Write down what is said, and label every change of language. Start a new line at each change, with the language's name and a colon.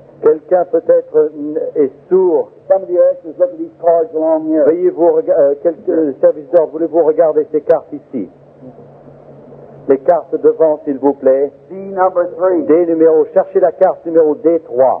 French: Quelqu'un peut-être est sourd.
English: Somebody else is looking at these cards along here.
French: Veuillez vous serviteur, voulez-vous regarder ces cartes ici? Les cartes devant, s'il vous plaît.
English: D number 3.
French: D numéro. Cherchez la carte numéro D 3.